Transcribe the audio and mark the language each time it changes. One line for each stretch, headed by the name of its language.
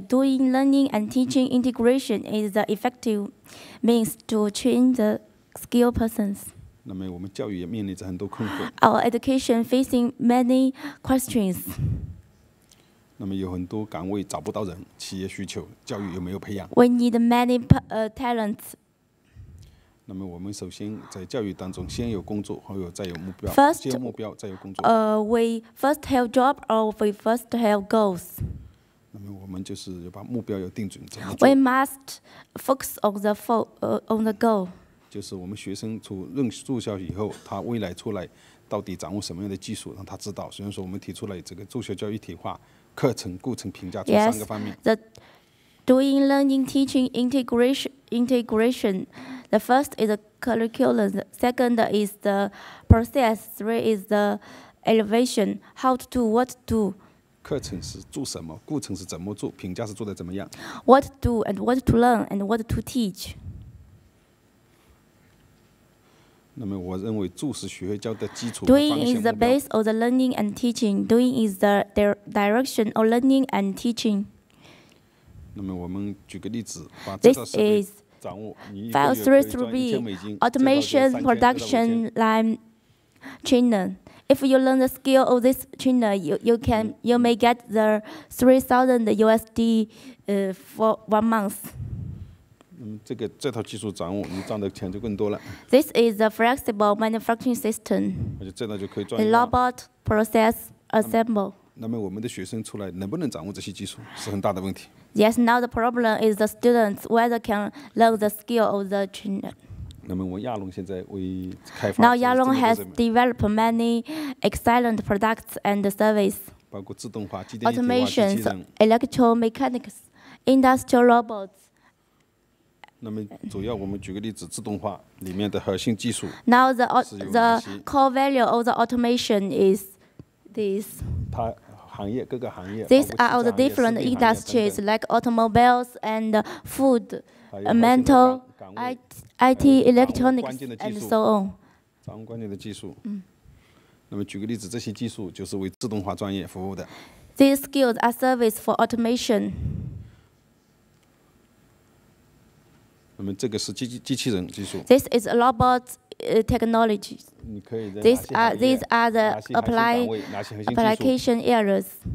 English: Doing learning and teaching integration is the effective means to train the skilled persons.
Chinese: 那么我们教育也面临着很多困惑.
English: Our education facing many questions.
Chinese: 那么有很多岗位找不到人，企业需求，教育有没有培养？
English: We need many talents.
Chinese: 那么我们首先在教育当中，先有工作，后有再有目标。
English: First,
Chinese: 先有目标，再有工作。
English: We first have job or we first have goals.
Chinese: 那么我们就是要把目标要定准，怎么做？
English: We must focus on the on the goal.
Chinese: 就是我们学生从入住校以后，他未来出来到底掌握什么样的技术，让他知道。虽然说我们提出了这个住校教育体化课程、过程评价这三个方面。
English: Yes, the doing learning teaching integration. The first is the curriculum, the second is the process, three is the elevation, how to do, what to do.
Chinese: 课程是做什么, 过程是怎么做, 评价是做得怎么样?
English: What to do and what to learn and what to teach.
Chinese: 那么我认为助是学会教的基础,
English: doing is the base of the learning and teaching. Doing is the direction of learning and teaching.
Chinese: 那么我们举个例子,
English: this is file 3 through B, automation, production, line, training. If you learn the skill of this trainer, you may get the $3,000 for 1 month.
Chinese: 这个这套技术掌握,
English: this is a flexible manufacturing system. A robot process assemble.
Chinese: 那么我们的学生出来能不能掌握这些技术是很大的问题。
English: Yes, now the problem is the students whether can learn the skill of the trainer.
Chinese: 那么我亚龙现在为开发,
English: now Yalong has developed many excellent products and services.
Chinese: 包括自动化,
English: automation, electromechanics, industrial robots.
Chinese: 那么主要我们举个例子, 自动化, 里面的核心技术,
English: now the core value of the automation is this.
Chinese: 行业,
English: these are all the different industries like automobiles and food, mental, IT, electronics, and so on.
Chinese: 掌握关键的技术。那么举个例子，这些技术就是为自动化专业服务的。
English: These skills are service for automation.
Chinese: 那么这个是机器人技术。
English: This is a robot technology. These are the application areas.